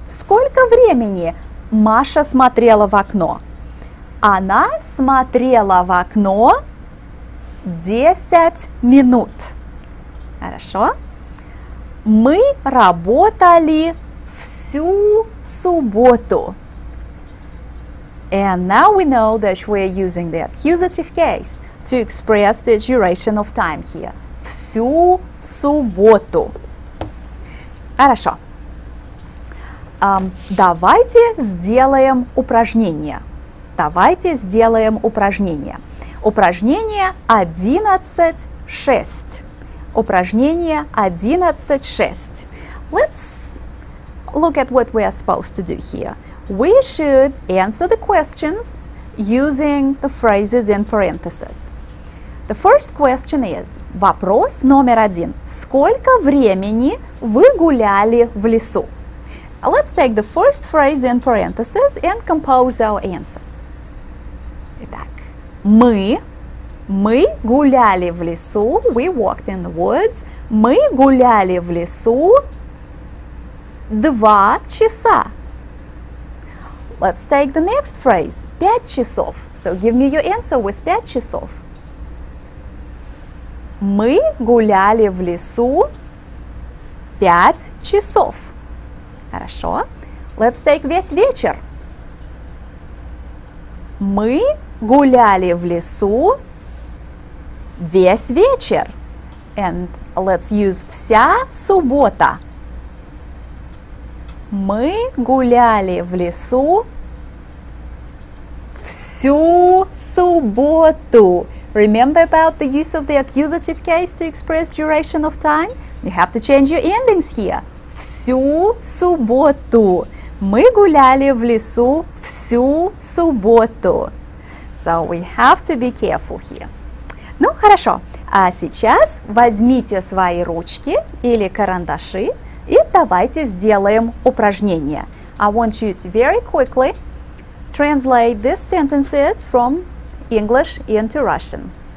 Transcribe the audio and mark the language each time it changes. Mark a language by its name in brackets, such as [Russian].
[Russian] Сколько времени Маша смотрела в окно? Она смотрела в окно 10 минут. Хорошо. Мы работали всю субботу. [English] And now we know that we are using the accusative case. to express the duration of time here. [Russian] Всю субботу. Хорошо. Давайте сделаем упражнение. Давайте сделаем упражнение. Упражнение 11.6. Упражнение 11.6. [English] Let's look at what we are supposed to do here. We should answer the questions using the phrases in parentheses. The first question is, [Russian] вопрос номер один. Сколько времени вы гуляли в лесу? [English] Let's take the first phrase in parentheses and compose our answer. [Russian] Итак, мы гуляли в лесу. [English] We walked in the woods. [Russian] Мы гуляли в лесу 2 часа. [English] Let's take the next phrase. [Russian] 5 часов. [English] So give me your answer with 5 часов. [Russian] Мы гуляли в лесу 5 часов. Хорошо. [English] Let's take [Russian] весь вечер. Мы гуляли в лесу весь вечер. [English] And let's use [Russian] вся суббота. Мы гуляли в лесу всю субботу. [English] Remember about the use of the accusative case to express duration of time? You have to change your endings here. [Russian] Всю субботу. Мы гуляли в лесу всю субботу. [English] So we have to be careful here. [Russian] Ну, хорошо. А сейчас возьмите свои ручки или карандаши и давайте сделаем упражнение. [English] I want you to very quickly translate these sentences from English into Russian.